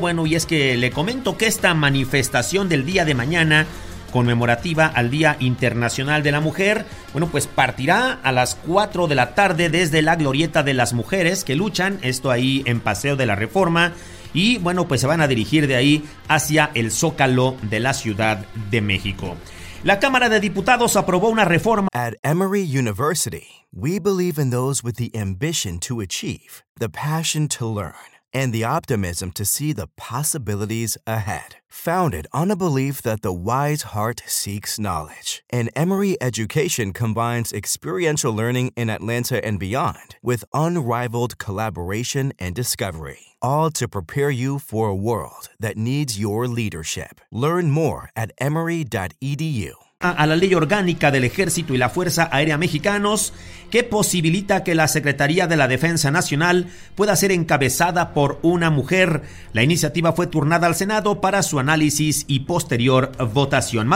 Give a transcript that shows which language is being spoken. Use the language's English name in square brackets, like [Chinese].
[Spanish] Bueno, y es que le comento que esta manifestación del día de mañana, conmemorativa al Día Internacional de la Mujer, bueno, pues partirá a las 4 de la tarde desde la Glorieta de las Mujeres que Luchan, esto ahí en Paseo de la Reforma, y bueno, pues se van a dirigir de ahí hacia el Zócalo de la Ciudad de México. La Cámara de Diputados aprobó una reforma. [English] At Emory University, we believe in those with the ambition to achieve, the passion to learn, and the optimism to see the possibilities ahead. Founded on a belief that the wise heart seeks knowledge, and Emory Education combines experiential learning in Atlanta and beyond with unrivaled collaboration and discovery, all to prepare you for a world that needs your leadership. Learn more at emory.edu. [Spanish] A la Ley Orgánica del Ejército y la Fuerza Aérea Mexicanos, que posibilita que la Secretaría de la Defensa Nacional pueda ser encabezada por una mujer. La iniciativa fue turnada al Senado para su análisis y posterior votación.